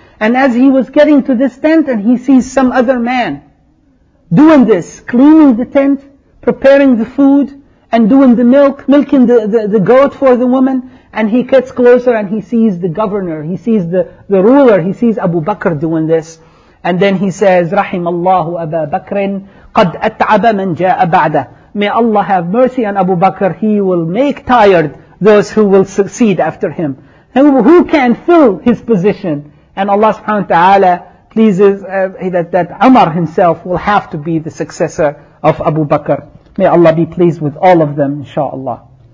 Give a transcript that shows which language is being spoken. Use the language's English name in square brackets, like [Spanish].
[English] And as he was getting to this tent and he sees some other man doing this, cleaning the tent, preparing the food and doing the milk, milking the goat for the woman. And he gets closer and he sees the governor, he sees the ruler, he sees Abu Bakr doing this. And then he says, [Arabic] رحم الله أبا بكر قد أتعب من جاء بعده. [English] May Allah have mercy on Abu Bakr, he will make tired those who will succeed after him. Who can fill his position? And Allah subhanahu wa ta'ala pleases that Umar himself will have to be the successor of Abu Bakr. May Allah be pleased with all of them, inshaAllah.